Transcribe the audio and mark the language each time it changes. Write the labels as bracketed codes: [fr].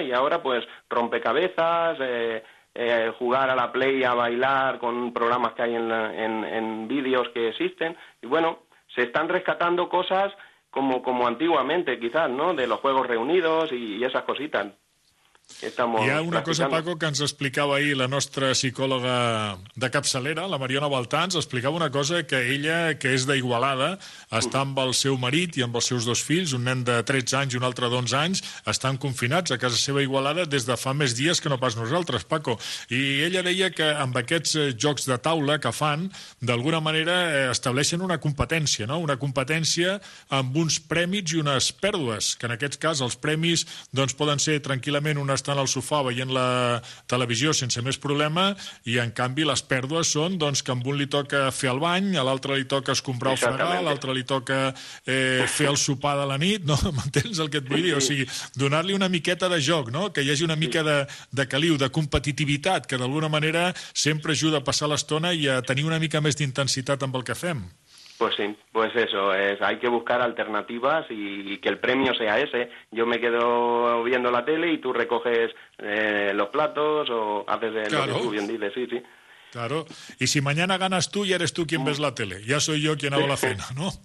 [es] Y ahora, pues, rompecabezas, jugar a la Play, a bailar con programas que hay en vídeos que existen. Y bueno, se están rescatando cosas como antiguamente, quizás, ¿no? De los juegos reunidos y esas cositas. Estamos [ca] hi ha una [es] practicando. [ca] Cosa, Paco, que ens explicava ahir la nostra psicòloga de capçalera, la Mariona Baltans, explicava una cosa que ella, que és d'Igualada, està amb el seu marit i amb els seus dos fills, un nen de 13 anys i un altre d'11 anys, estan confinats a casa seva Igualada des de fa més dies que no pas nosaltres, Paco. I ella deia que amb aquests jocs de taula que fan, d'alguna manera estableixen una competència, no? Una competència amb uns premis i unes pèrdues, que en aquest cas els premis doncs poden ser tranquil·lament un estar al sofà veient la televisió sense més problema, i en canvi les pèrdues són doncs, que a un li toca fer el bany, a l'altre li toca escombrar el fregar, a l'altre li toca fer el sopar de la nit, no? M'entens el que et vull dir? O sigui, donar-li una miqueta de joc, no? Que hi hagi una mica de caliu, de competitivitat, que d'alguna manera sempre ajuda a passar l'estona i a tenir una mica més d'intensitat amb el que fem. [es] Pues sí, pues eso, hay que buscar alternativas y que el premio sea ese. Yo me quedo viendo la tele y tú recoges los platos o haces lo que tú bien dices, sí, sí. Claro, y si mañana ganas tú, ya eres tú quien ves la tele, ya soy yo quien hago la cena, ¿no?